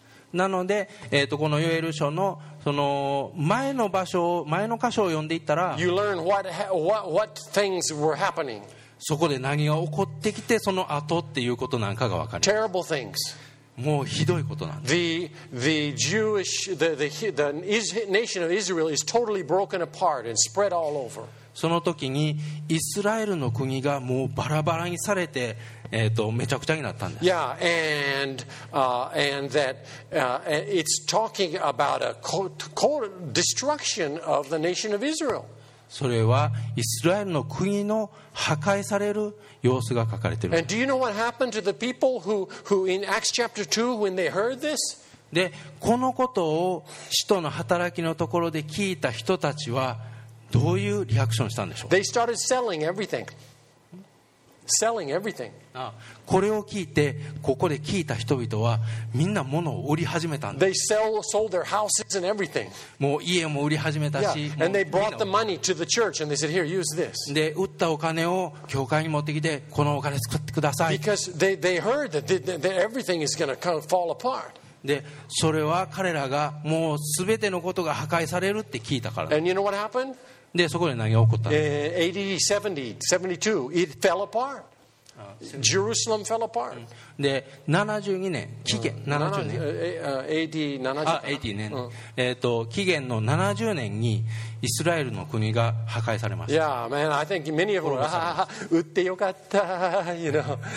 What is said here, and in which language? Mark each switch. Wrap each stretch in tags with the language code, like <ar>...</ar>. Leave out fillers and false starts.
<ja>なので、このヨエル書のその前の場所を前の箇所を読んでいったら、</ja> <en>you learn what things were happening.</en> <ja>そこで何が起こってきてその後っていうことなんかが分かる。</ja> <en>Terrible things.</en> <ja>もうひどいことなんです。</ja> <en>The Jewish the nation of Israel is totally broken apart and spread all over.</en> <ja>その時にイスラエルの国がもうバラバラにされて、めちゃくちゃになったんです。</ja> <en>Yeah, and, and that, it's talking about a destruction of the nation of Israel.</en> <ja>それはイスラエルの国の破壊される様子が書かれている。</ja> <en>And do you know what happened to the people who in Acts chapter 2 when they heard this?</en> <ja>で、このことを使徒の働きのところで聞いた人たちはどういうリアクションしたんでしょう。</ja> <en>They started selling everything. Selling everything.</en> <ja>これを聞いてここで聞いた人々はみんな物を売り始めたんです。</ja> <en>They sold their houses and everything.</en> <ja>もう家も売り始めたし、 yeah.</ja> <en>And they brought the money to the church and they said, here, use this.</en> <ja>で、売ったお金を教会に持ってきてこのお金使ってください。</ja> <en>Because they heard that everything is going to kind of fall apart.</en> <ja>で、それは彼らがもう全てのことが破壊されるって聞いたから。</ja> <en>And you know what happened?</en> <ja>で、そこで何が起こったの。</ja> <en>AD 70, 72, it fell apart. Jerusalem fell apart.</en> <ja>で、72年、紀元70年、AD 70年、紀元の70年にイスラエルの国が破壊されました。</ja> <en>Yeah, man, I think many of them were,</en> <ja>売ってよかった、</ja> <en>you know.</en>